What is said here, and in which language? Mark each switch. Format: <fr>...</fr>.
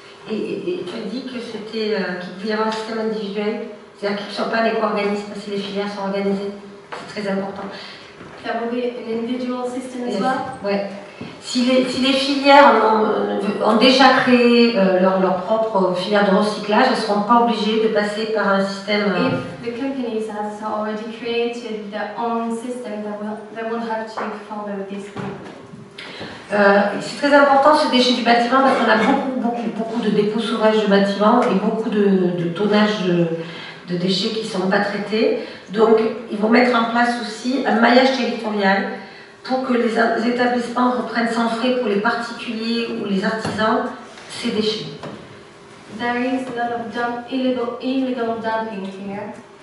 <fr>Et tu as dit que c'était qu'il pouvait y avoir un système individuel, c'est-à-dire qu'ils ne sont pas éco-organismes si les filières sont organisées. C'est très important.</fr> <en>There will be an individual system as well.</en> <fr>Ouais. Si les filières ont déjà créé leur propre filière de recyclage, elles ne seront pas obligées de passer par un système.</fr> <en>If the companies have already created their own system, they won't have to follow this rule.</en> <fr>C'est très important ce déchet du bâtiment parce qu'on a beaucoup de dépôts sauvages de bâtiments et beaucoup de tonnage de déchets qui ne sont pas traités. Donc, ils vont mettre en place aussi un maillage territorial pour que les établissements reprennent sans frais pour les particuliers ou les artisans ces déchets.</fr> <en>There is a lot of illegal dumping here.</en>